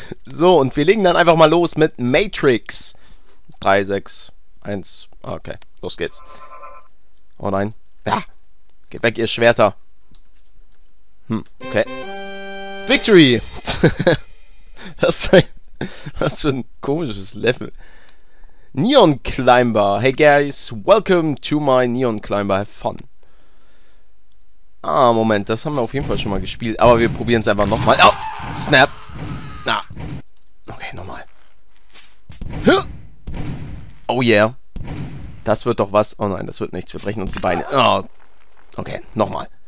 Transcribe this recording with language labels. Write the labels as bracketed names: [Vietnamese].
[German] So, und wir legen dann einfach mal los mit Matrix. 3, 6, 1, okay, los geht's. Oh nein, ja, geht weg, ihr Schwerter. Okay. Victory! Was für ein komisches Level. Neon Climber. [English] Hey guys, welcome to my Neon Climber. Have fun. [German] Ah, Moment, das haben wir auf jeden Fall schon mal gespielt. Aber wir probieren es einfach nochmal. [English] Oh, snap. [German] Na. Ah. Okay, nochmal. Oh yeah. Das wird doch was. Oh nein, das wird nichts. Wir brechen uns die Beine. Oh. Okay, nochmal.